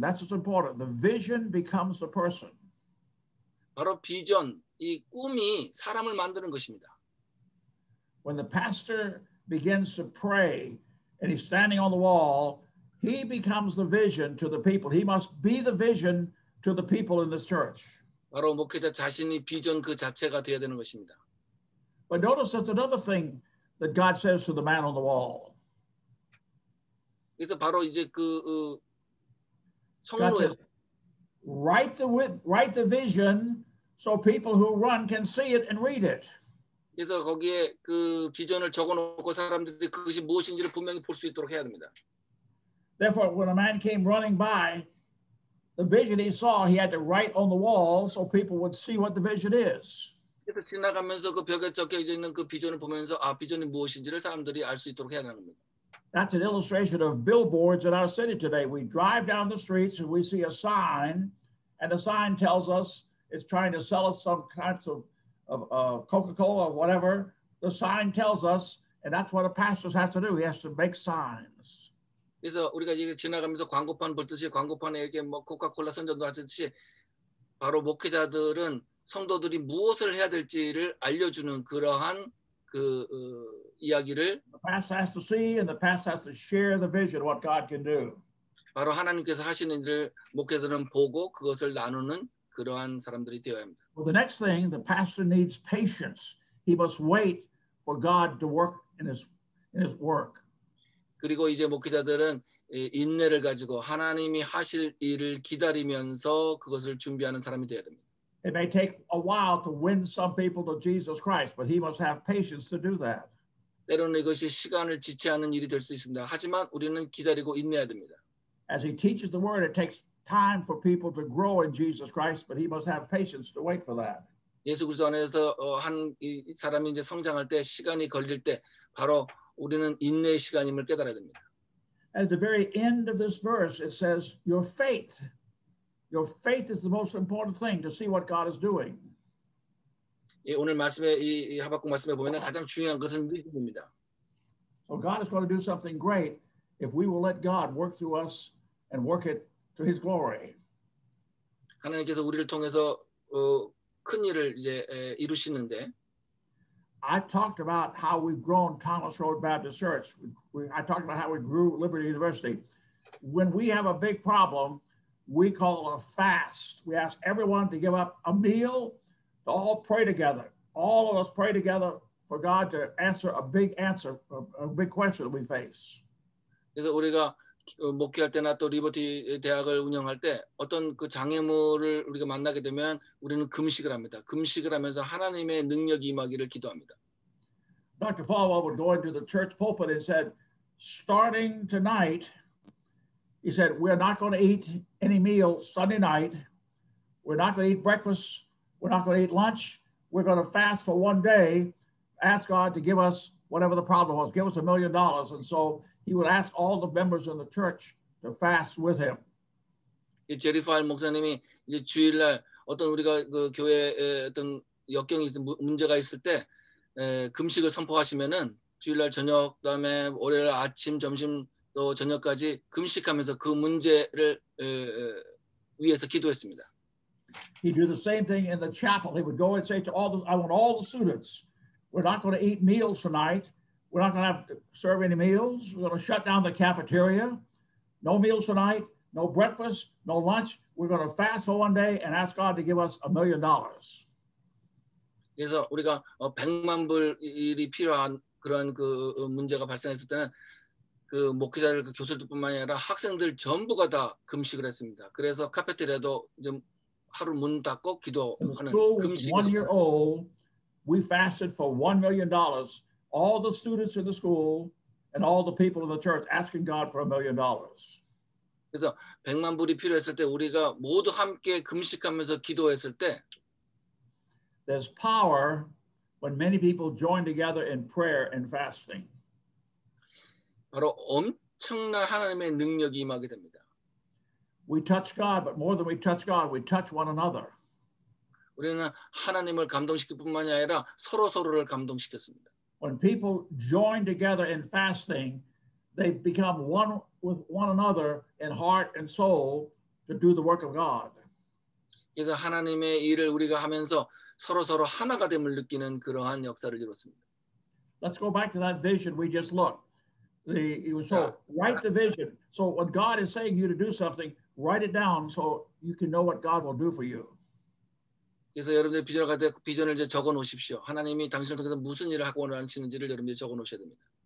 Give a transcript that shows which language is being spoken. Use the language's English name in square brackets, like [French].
[English] That's what's important. The vision becomes the person. [Korean] 바로 비전. 이 꿈이 사람을 만드는 것입니다. [English] When the pastor begins to pray and he's standing on the wall, he becomes the vision to the people. He must be the vision to the people in this church. [Korean] 바로 목회자 자신이 비전 그 자체가 되어야 되는 것입니다. [English] But notice there's another thing that God says to the man on the wall. [Korean] 그래서 바로 이제 그 성도에 [English] write the vision. So people who run can see it and read it. [Korean] 그래서 거기에 그 비전을 적어놓고 사람들이 그것이 무엇인지를 분명히 볼 수 있도록 해야 됩니다. [English] Therefore, when a man came running by, the vision he saw, he had to write on the wall so people would see what the vision is. [Korean] 계속 지나가면서 그 벽에 적혀져 있는 그 비전을 보면서 아 비전이 무엇인지를 사람들이 알 수 있도록 해야 하는 겁니다. [English] That's an illustration of billboards in our city today. We drive down the streets and we see a sign, and the sign tells us it's trying to sell us some types of Coca-Cola or whatever. The sign tells us, and that's what a pastor has to do. He has to make signs. [Korean] 그래서 우리가 이게 지나가면서 광고판 볼 듯이 광고판에 이렇게 뭐 코카콜라 선전도 하듯이 바로 목회자들은 성도들이 무엇을 해야 될지를 알려주는 그러한 그 이야기를 [English] The pastor has to see and the pastor has to share the vision of what God can do. [Korean] 바로 하나님께서 하시는 일을 목회자들은 보고 그것을 나누는 그러한 사람들이 되어야 합니다. [English] Well, the next thing, the pastor needs patience. He must wait for God to work in his work. [Korean] 그리고 이제 목회자들은 인내를 가지고 하나님이 하실 일을 기다리면서 그것을 준비하는 사람이 되어야 됩니다. [English] It may take a while to win some people to Jesus Christ, but he must have patience to do that. [Korean] 때로는 이것이 시간을 지체하는 일이 될 수 있습니다. 하지만 우리는 기다리고 인내해야 됩니다. [English] As he teaches the word, it takes time for people to grow in Jesus Christ, but he must have patience to wait for that. [Korean] 예수 그리스도 안에서 한 사람이 이제 성장할 때 시간이 걸릴 때 바로 우리는 인내의 시간임을 깨달아야 됩니다. [English] At the very end of this verse, it says, your faith is the most important thing to see what God is doing. [Korean] 예, 오늘 말씀에 이 하박국 말씀에 보면 가장 중요한 것은 믿음입니다. [English] So God is going to do something great if we will let God work through us and work it to His glory. [Korean] 하나님께서 우리를 통해서 큰 일을 이제 이루시는데. [English] I've talked about how we've grown Thomas Road Baptist Church. I talked about how we grew Liberty University. When we have a big problem, we call a fast. We ask everyone to give up a meal, to all pray together. All of us pray together for God to answer a big question that we face. [Korean] 그래서 우리가 목회할 때나 또 리버티 대학을 운영할 때 어떤 그 장애물을 우리가 만나게 되면 우리는 금식을 합니다. 금식을 하면서 하나님의 능력이 임하기를 기도합니다. [English] Dr. Falwell would go into the church pulpit and said, starting tonight, he said, we're not going to eat any meal Sunday night. We're not going to eat breakfast. We're not going to eat lunch. We're going to fast for one day. Ask God to give us whatever the problem was. Give us $1 million. And so he would ask all the members in the church to fast with him. [Korean] 이 제리 파일 목사님이 이제 주일날 어떤 우리가 그 교회에 어떤 역경이 문제가 있을 때 금식을 선포하시면은 주일날 저녁 다음에 월요일 아침 점심 또 저녁까지 금식하면서 그 문제를 위해서 기도했습니다. [English] He'd do the same thing in the chapel. He would go and say to all the I want all the students, we're not going to eat meals tonight. We're not going to have to serve any meals. We're going to shut down the cafeteria. No meals tonight, no breakfast, no lunch. We're going to fast for one day and ask God to give us $1 million. [Korean] 그래서 우리가 100만 불이 필요한 그런 그 문제가 발생했을 때는 그 목회자들 그 교수들뿐만 아니라 학생들 전부가 다 금식을 했습니다. 그래서 카페테리아도 하루 문 닫고 기도하는 금식. [English] One year old, we fasted for $1 million. All the students in the school and all the people in the church asking God for $1 million. [Korean] 그래서 100만 불이 필요했을 때 우리가 모두 함께 금식하면서 기도했을 때 [English] There's power when many people join together in prayer and fasting. [Korean] 바로 엄청난 하나님의 능력이 임하게 됩니다. [English] We touch God, but more than we touch God, we touch one another. [Korean] 우리는 하나님을 감동시킬 뿐만이 아니라 서로 서로를 감동시켰습니다. [English] When people join together in fasting, they become one with one another in heart and soul to do the work of God. [Korean] 그래서 하나님의 일을 우리가 하면서 서로 하나가 됨을 느끼는 그러한 역사를 이루었습니다. [English] Let's go back to that vision we just looked. Write the vision. So when God is saying you to do something, write it down so you can know what God will do for you. [Korean] 그래서 여러분들 비전을 갈 때 비전을 이제 적어 놓으십시오. 하나님이 당신을 통해서 무슨 일을 하고 원하시는지를 여러분들 적어 놓으셔야 됩니다.